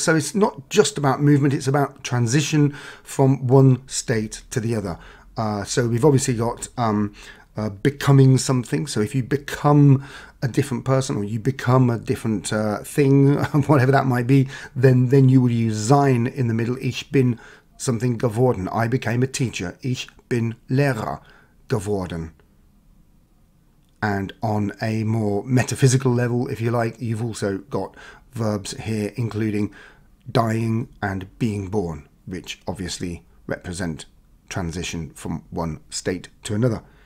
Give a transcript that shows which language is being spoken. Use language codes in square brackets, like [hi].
[en] So it's not just about movement, it's about transition from one state to the other. So we've obviously got becoming something. So if you become a different person, or you become a different thing, whatever that might be, then you will use sein in the middle. Ich bin something geworden. I became a teacher. [de] Ich bin Lehrer geworden. [en] And on a more metaphysical level, if you like, you've also got verbs here, including dying and being born, which obviously represent transition from one state to another.